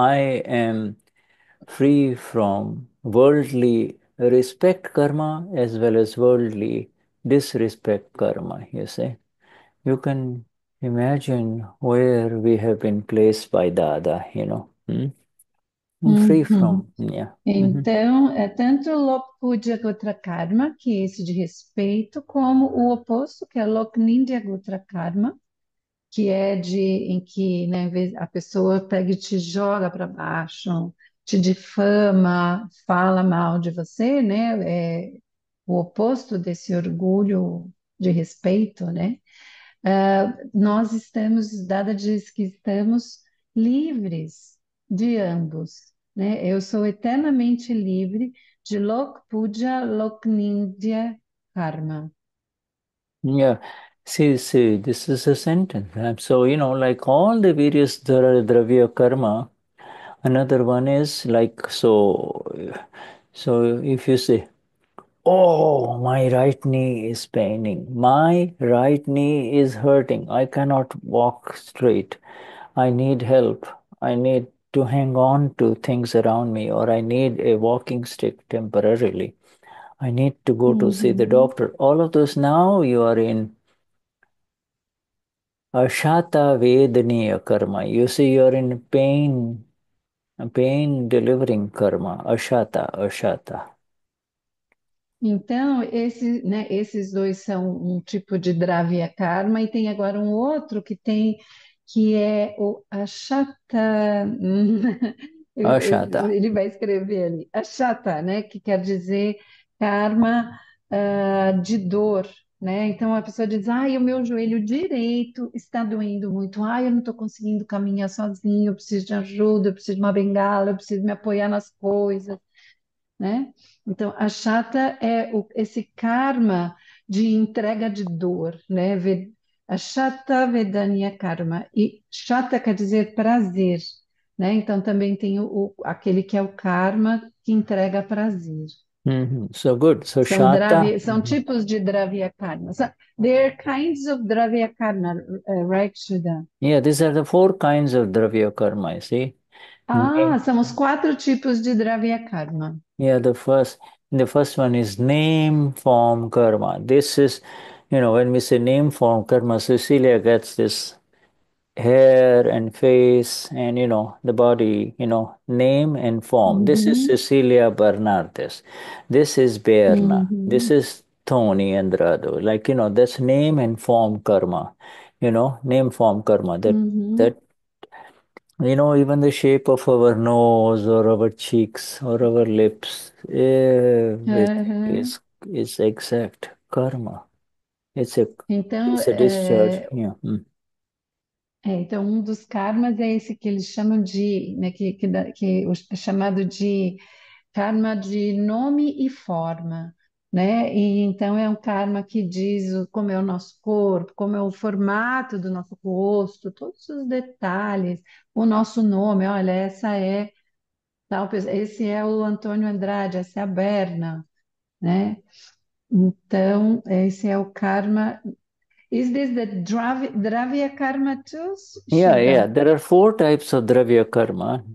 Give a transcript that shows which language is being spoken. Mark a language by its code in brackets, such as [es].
[en] I am free from worldly respect karma as well as worldly disrespect karma, you see. You can imagine where we have been placed by Dada, you know. I'm free from, yeah. [pt] Então, é tanto Lokpujya Gotra Karma, que é esse de respeito, como o oposto, que é Loknindya Gotra Karma, que é de em que, né, a pessoa pega e te joga para baixo, te difama, fala mal de você, né? É o oposto desse orgulho de respeito, né? Nós estamos, Dada diz que estamos livres de ambos. Né? Eu sou eternamente livre de Lokpujya Loknindya Karma. [en] Yeah, see, this is a sentence. So, you know, like all the various Dravya karma, another one is like, so if you say, oh, my right knee is paining, my right knee is hurting, I cannot walk straight, I need help, I need to hang on to things around me, or I need a walking stick temporarily. I need to go to see the doctor. All of those, now you are in Ashata Vedaniya Karma. You see, you are in pain delivering karma. Ashata, Ashata. [pt] Então, esse, né, esses dois são um tipo de Dravya Karma, e tem agora um outro que tem, que é o Achata. Ashata. Ele vai escrever ali, Achata, né, que quer dizer karma de dor, né? Então a pessoa diz: ai, o meu joelho direito está doendo muito, ai, eu não estou conseguindo caminhar sozinho, eu preciso de ajuda, eu preciso de uma bengala, eu preciso me apoiar nas coisas, né? Então a chata é esse karma de entrega de dor, né? A chata vedanya karma, e chata quer dizer prazer, né? Então também tem aquele que é o karma que entrega prazer. [en] So good. So [pt] São shata. tipos de Dravya Karma. [en] So, there are kinds of Dravya Karma, right, Shuddha? Yeah, these are the four kinds of Dravya karma, you see. [pt] Ah, são os quatro tipos de Dravya Karma. [en] Yeah, the first one is name form karma. This is, you know, when we say name form karma, Cecilia gets this hair and face and, you know, the body, you know, name and form. This is Cecilia Bernardes. This is Berna. This is Tony Andrado. Like, you know, that's name and form karma. You know, name form karma. That, you know, even the shape of our nose or our cheeks or our lips, everything is exact karma. [pt] Então, [en] It's a discharge. Yeah. [pt] então um dos karmas é esse que eles chamam de, né, que é chamado de karma de nome e forma, né? E então é um karma que diz como é o nosso corpo, como é o formato do nosso rosto, todos os detalhes, o nosso nome. Olha, essa é tal, esse é o Antônio Andrade, essa é a Berna, né? Então, esse é o karma. [en] Is this the Dravya Karma too, Yeah. Shuddha? There are four types of Dravya karma.